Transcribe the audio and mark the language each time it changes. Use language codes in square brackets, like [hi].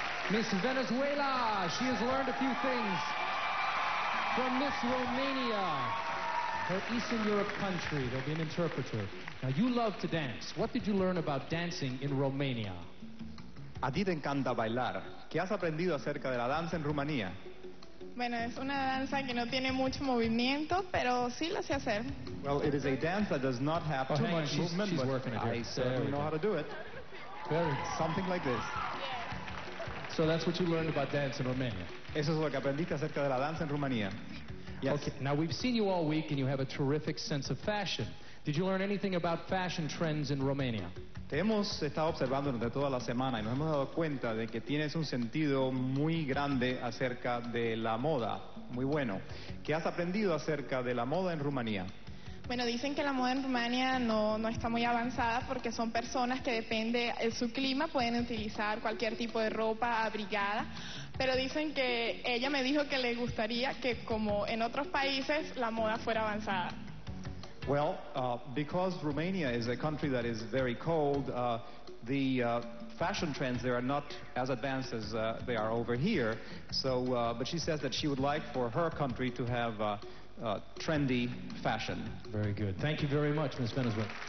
[en] Miss Venezuela, she has learned a few things from Miss Romania, her Eastern Europe country. There'll be an interpreter. Now, you love to dance. What did you learn about dancing in Romania? [es] A ti te encanta bailar. ¿Qué has aprendido acerca de la danza en Rumanía? Bueno, es una danza que no tiene mucho movimiento, pero sí la sé hacer. [en] Well, it is a dance that does not have too much movement, she's but working I certainly know how to do it. Very. Something like this. So that's what you learned about dance in Romania. [es] Eso es lo que aprendiste acerca de la danza en Rumanía. [en] Yes. Okay. Now we've seen you all week, and you have a terrific sense of fashion. Did you learn anything about fashion trends in Romania? [es] Te hemos estado observando durante toda la semana, y nos hemos dado cuenta de que tienes un sentido muy grande acerca de la moda. Muy bueno. ¿Qué has aprendido acerca de la moda en Rumanía? Bueno, dicen que la moda en Rumania no está muy avanzada porque son personas que depende de su clima pueden utilizar cualquier tipo de ropa abrigada, pero dicen que ella me dijo que le gustaría que como en otros países la moda fuera avanzada. [en] Well, because Romania is a country that is very cold, the fashion trends there are not as advanced as they are over here. So, but she says that she would like for her country to have trendy fashion. Very good. Thank you very much, Miss Venezuela.